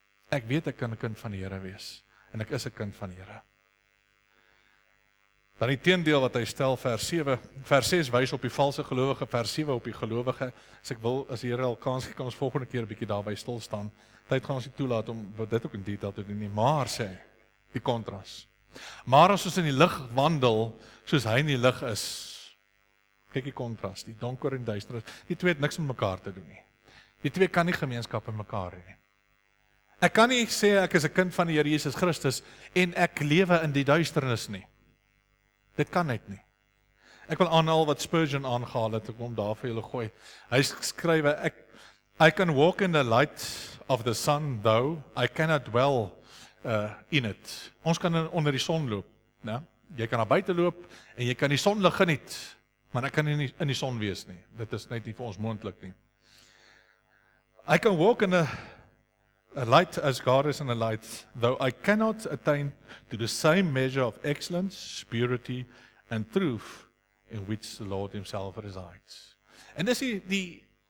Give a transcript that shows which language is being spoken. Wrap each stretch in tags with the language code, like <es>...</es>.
<af>Ek weet ek kan 'n kind van die Here wees, en ek is 'n kind van die Here. Dan die teendeel wat hy stel, vers 7, vers 6 wys op die valse gelowige, vers 7 op die gelowige. As ek wil, as die Here al kans gee, kan ons volgende keer 'n bietjie daarby stilstaan. Tyd gaan ons nie toelaat om dit ook in detail te doen nie, maar sê, die kontras. Maar as ons in die lig wandel, soos hy in die lig is, kyk die kontras, die donker en duister, die twee het niks met mekaar te doen nie. Die twee kan nie gemeenskap in mekaar hê nie. Ek kan nie sê ek is 'n kind van die Here Jesus Christus en ek lewe in die duisternis nie. Dit kan net nie. Ek wil aanhaal wat Spurgeon aangehaal het, ek wil hom daar vir julle gooi. Hy skrywe,</af> <en>I can walk in the light of the sun, though I cannot dwell in it.</en> <af>Ons kan onder die son loop. Ne? Jy kan na buite loop, en jy kan die son lig geniet, maar ek kan nie in die son wees nie. Dit is net nie vir ons moontlik nie.</af> <en>I can walk in a light as God is in a light, though I cannot attain to the same measure of excellence, purity, and truth in which the Lord himself resides.</en> <af>En dis die</af>